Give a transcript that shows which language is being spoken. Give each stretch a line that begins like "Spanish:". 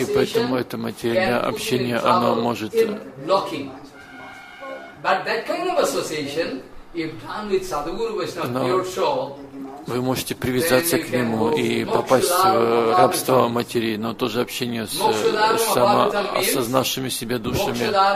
Russian: И поэтому это материальное общение, оно может.
English: But that kind of association, if done with Sadhguru Vaishnava pure soul,
Russian: вы можете привязаться к нему и попасть в рабство матери, но то же общение с самоосознавшими себя душами.